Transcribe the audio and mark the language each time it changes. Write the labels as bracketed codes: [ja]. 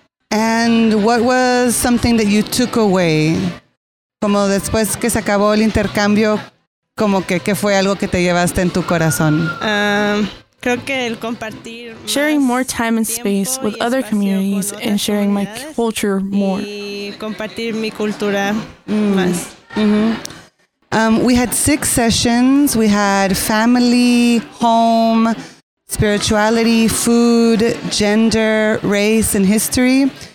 [en] And what was something that you took away? [es] Como después que se acabó el intercambio, como que qué fue algo que te llevaste en tu corazón? Creo que el compartir [en] sharing more time and space with other communities and sharing my culture more. [es] Compartir mi cultura más. [en] We had 6 sessions. We had family, home, spirituality, food, gender, race, and history.